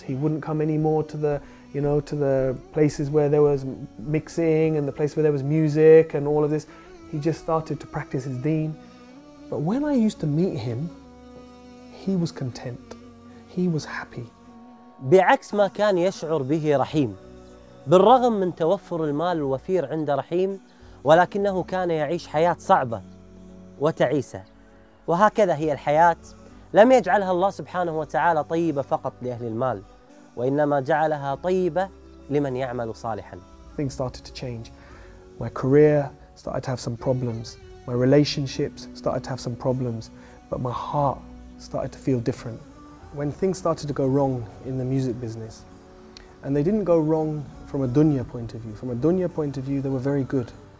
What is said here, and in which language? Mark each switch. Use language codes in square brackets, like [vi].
[en] He wouldn't come anymore to the, you know, to the places where there was mixing and the place where there was music and all of this. He just started to practice his deen. But when I used to meet him, he was content. He was happy. [ar] بعكس ما كان يشعر به رحيم. بالرغم من توفر المال الوفير عند رحيم ولكنه كان يعيش حياة صعبة وتعيسة وهكذا هي الحياة لم يجعلها الله سبحانه وتعالى طيبة فقط لأهل المال وإنما جعلها طيبة لمن يعمل صالحا. [en] Things started to change. My career started to have some problems. My relationships started to have some problems. But my heart started to feel different. When things started to go wrong in the music business, and they didn't go wrong from a dunya point of view. From a dunya point of view, they were very good.